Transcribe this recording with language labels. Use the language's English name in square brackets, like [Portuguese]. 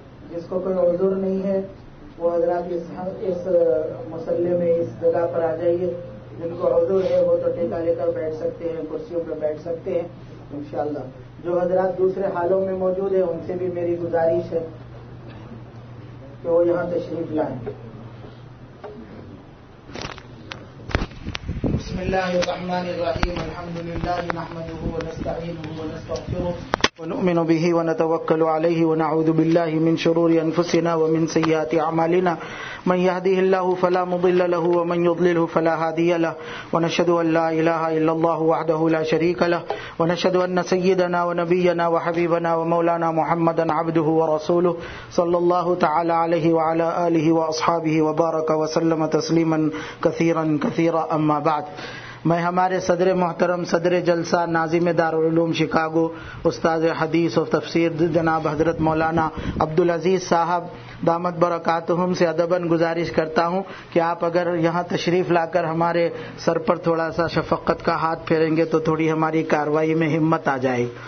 [Urdu] جس کو کوئی عذر نہیں ہے وہ حضرات اس مسلے میں اس جگہ پر آ جائیے, جن کو عذر ہے وہ تو ٹیکا لے کر بیٹھ سکتے ہیں, کرسیوں پہ بیٹھ سکتے ہیں انشاءاللہ. جو حضرات دوسرے حالوں میں موجود ہیں ان سے بھی میری گزارش ہے کہ وہ یہاں تشریف لائیں. [Arabic] بسم الله الرحمن الرحيم, الحمد لله نحمده ونستعينه ونستغفره ونؤمن به ونتوكل عليه ونعوذ بالله من شرور أنفسنا ومن سيئات أعمالنا, من يهده الله فلا مضل له ومن يضلله فلا هادي له, ونشهد أن لا إله إلا الله وحده لا شريك له, ونشهد أن سيدنا ونبينا وحبيبنا ومولانا محمدا عبده ورسوله صلى الله تعالى عليه وعلى آله وأصحابه وبارك وسلم تسليما كثيرا كثيرا. [Urdu] أما بعد, میں ہمارے صدر محترم, صدر جلسہ, ناظم دارالعلوم شکاگو, استاد حدیث و تفسیر جناب حضرت مولانا عبدالعزیز صاحب دامت برکاتہم سے ادباً گزارش کرتا ہوں کہ آپ اگر یہاں تشریف لا کر ہمارے سر پر تھوڑا سا شفقت کا ہاتھ پھیریں گے تو تھوڑی ہماری کاروائی میں ہمت آ جائے.